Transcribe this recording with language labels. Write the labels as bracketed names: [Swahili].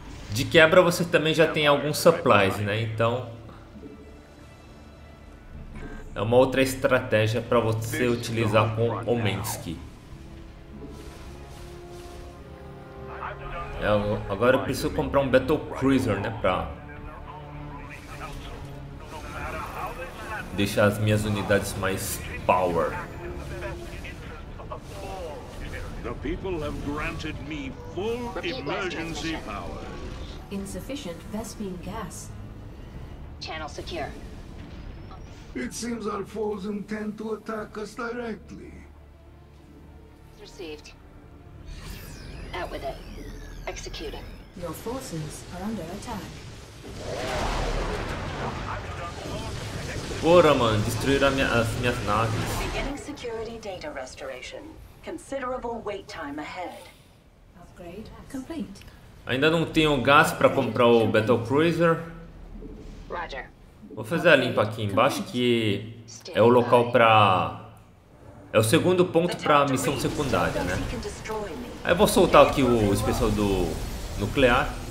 [Portuguese] De quebra você também já tem alguns supplies, né? Então é uma outra estratégia para você utilizar com o Mensky. Agora eu preciso comprar um Battlecruiser, né, para deixar as minhas unidades mais power. [English] The people have granted me full emergency powers. Insufficient Vespine gas. Channel secure. It seems our foes intend to attack us directly. Received. Out with it. Executing. Your forces are under attack. [Portuguese] Bora, mano, destruir as minhas naves. [English] Beginning security data restoration. Considerable wait time ahead. Upgrade complete. [Portuguese] Ainda não tenho gás para comprar o Battlecruiser. Roger. Vou fazer a limpa aqui embaixo, que é o local para... É o segundo ponto para a missão secundária, né? Aí eu vou soltar aqui o especial do nuclear.